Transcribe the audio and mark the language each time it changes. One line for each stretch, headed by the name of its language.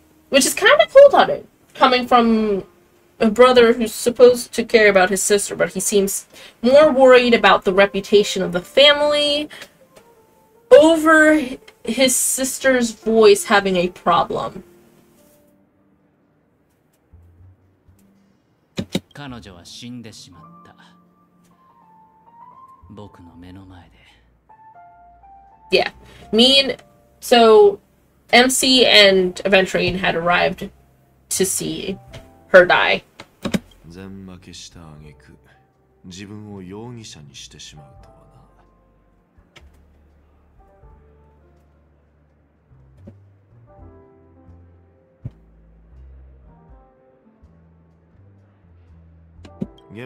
English: Which is kind of cold-hearted, coming from a brother who's supposed to care about his sister, but he seems more worried about the reputation of the family over his sister's voice having a problem.
Japanese: 彼女は死んでしまった。僕の目の前で。
English: Yeah. Me and... So, MC and Aventurine had arrived to see her die.
Japanese: 全負けした挙句、自分を容疑者にしてしまうとはな。